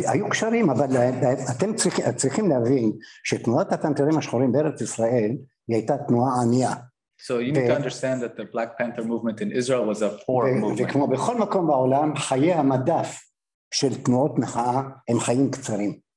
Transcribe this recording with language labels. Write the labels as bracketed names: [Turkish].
[Hebrew] קשרים, אבל אתם צריכים להבין שתנועת הפנתרים השחורים בארץ ישראל היא הייתה תנועה ענייה. [English] So you need to understand that the Black Panther movement in Israel was a poor movement. [Hebrew] וכמו בכל מקום בעולם, חיי המדף של תנועות מחאה הם חיים קצרים.